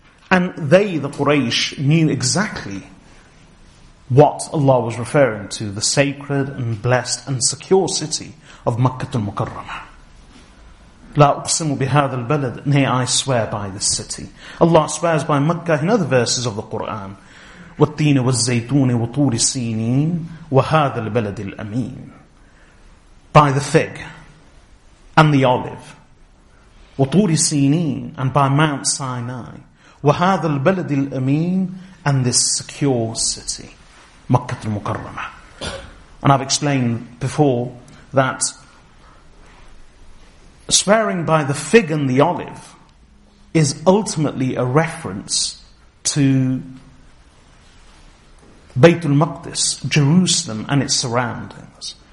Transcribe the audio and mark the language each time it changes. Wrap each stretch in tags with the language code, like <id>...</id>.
<en>And they, the Quraysh, knew exactly what Allah was referring to, the sacred and blessed and secure city of Makkah al-Mukarramah.</en> <ar>لا أقسم بهذا البلد.</ar> <en>Nay, I swear by this city. Allah swears by Makkah in other verses of the Quran.</en> <ar>والتين والزيتون وطور سينين وهذا البلد الأمين.</ar> <en>By the fig and the olive.</en> <ar>وطور سينين</ar> <en>and by Mount Sinai.</en> <ar>وهذا البلد الأمين</ar> <en>and this secure city.</en> <ar>مكة المكرمة.</ar> <en>And I've explained before that swearing by the fig and the olive is ultimately a reference to Baytul Maqdis, Jerusalem and its surroundings.</en>